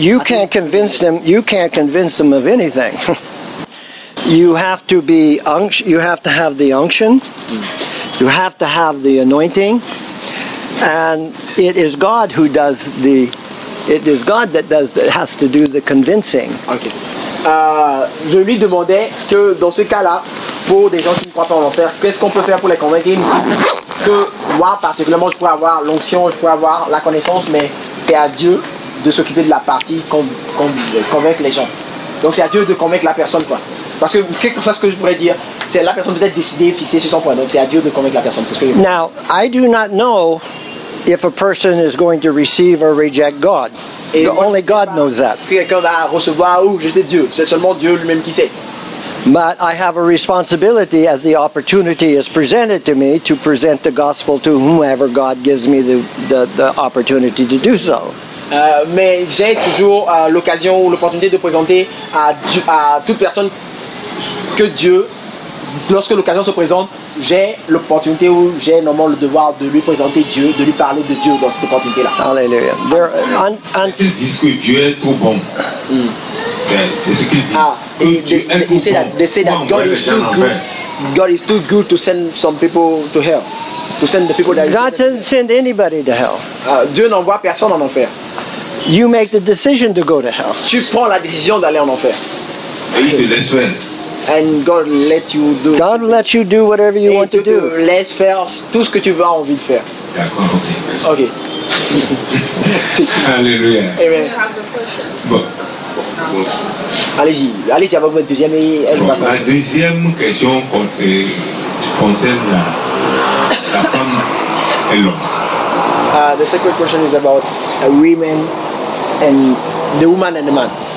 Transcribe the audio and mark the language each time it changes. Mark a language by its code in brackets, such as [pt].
[en] You can't convince them of anything. You have to have the unction. You have to have the anointing. And it is God who does the, it is God that does, that has to do the convincing. Okay. [fr] Je lui demandais que dans ce cas-là, pour des gens qui ne croient pas en l'enfer, qu'est-ce qu'on peut faire pour les convaincre? Que moi, particulièrement, je pourrais avoir l'onction, je pourrais avoir la connaissance, mais c'est à Dieu de s'occuper de la partie qu'on convaincre les gens. Donc c'est à Dieu de convaincre la personne, quoi. Parce que c'est pour ça ce que je pourrais dire, c'est la personne peut-être décidée, fixée sur son point. Donc c'est à Dieu de convaincre la personne. C'est ce que je veux dire. [en] Now, I do not know if a person is going to receive or reject God. [fr] Et [en] the only God knows that. [fr] Quelqu'un va recevoir ou rejeter Dieu. C'est seulement Dieu lui-même qui sait. [en] But I have a responsibility as the opportunity is presented to me to present the gospel to whomever God gives me the opportunity to do so. [fr] Mais j'ai toujours l'occasion ou l'opportunité de présenter à toute personne que Dieu, lorsque l'occasion se présente, j'ai l'opportunité ou j'ai normalement le devoir de lui présenter Dieu, de lui parler de Dieu dans cette opportunité-là. Alléluia. Ils disent que Dieu est trop bon. C'est ce qu'ils disent. [en] God is too good to send some people to hell. To send the people that God doesn't Send anybody to hell. [fr] Dieu n'envoie personne en enfer. [en] You make the decision to go to hell. [fr] Tu prends la décision d'aller en enfer. [en] And God let you do. God let you do whatever you [fr] et [en] want to do. [fr] Laisse faire tout ce que tu as envie de faire. D'accord, ok. Alléluia. Amen. Bon. Allez-y, allez-y avec votre deuxième et elle bon, la deuxième question concerne la femme et l'homme. [en] The second question is about a woman and the woman and the man.